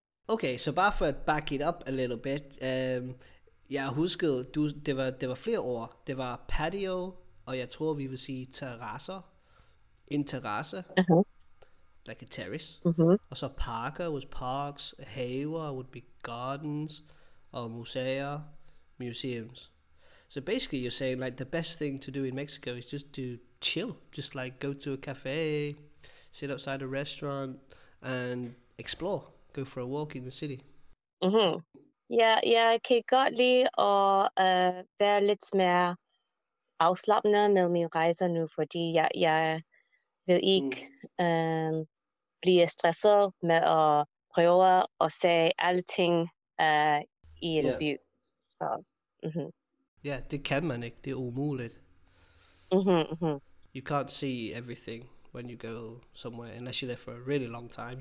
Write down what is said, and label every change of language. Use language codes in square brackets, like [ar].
[en] Okay, [da] så bare for at [en] back it up a little bit. [da] Jeg huskede, det var flere ord. Det var patio, og jeg tror, vi vil sige terrasser. En terrasse. [en] Like a terrace. [da] Og så parker [en] was parks. Haver would be gardens. [da] Og museer, [en] museums. So basically, you're saying like the best thing to do in Mexico is just to chill. Just like go to a cafe, sit outside a restaurant, and explore. Go for a walk in the city. [da] Ja, jeg kan godt lide at være lidt mere afslappende med min rejse nu, fordi jeg vil ikke blive stresset med at prøve at se alle ting i en by. Så, Ja, det kan man ikke. Det er umuligt. [en] You can't see everything when you go somewhere, unless you're there for a really long time.